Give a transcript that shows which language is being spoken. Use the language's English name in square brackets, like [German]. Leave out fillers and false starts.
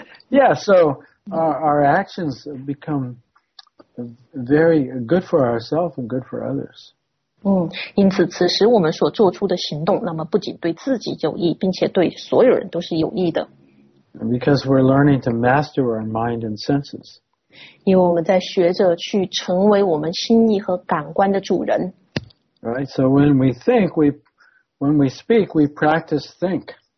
[English] Yeah, so our actions become very good for ourselves and good for others. [Chinese] 因此此时我们所做出的行动，那么不仅对自己有益，并且对所有人都是有益的。 [English] Because we're learning to master our mind and senses. [Chinese] 因为我们在学着去成为我们心意和感官的主人。 [English] Right, so when we think, When we speak, we practice think.